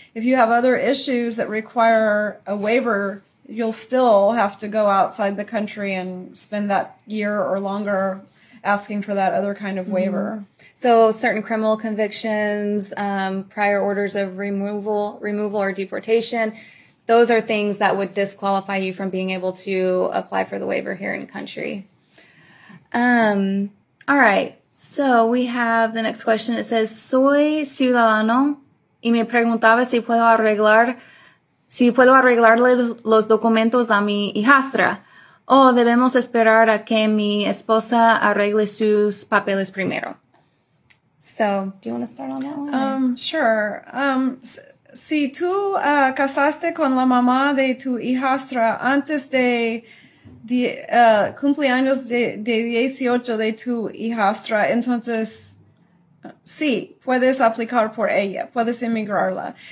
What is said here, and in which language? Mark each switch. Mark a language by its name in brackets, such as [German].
[English] If you have other issues that require a waiver, you'll still have to go outside the country and spend that year or longer asking for that other kind of waiver. So certain criminal convictions, prior orders of removal or deportation, those are things that would disqualify you from being able to apply for the waiver here in country. All right. So we have the next question. It says, [Spanish] soy ciudadano y me preguntaba si puedo arreglarle los documentos a mi hijastra o debemos esperar a que mi esposa arregle sus papeles primero. [English] So do you want to start on that one? Sure. [Spanish] Si tú casaste con la mamá de tu hijastra antes de cumpleaños de 18 de tu hijastra, entonces sí, puedes aplicar por ella, puedes emigrarla.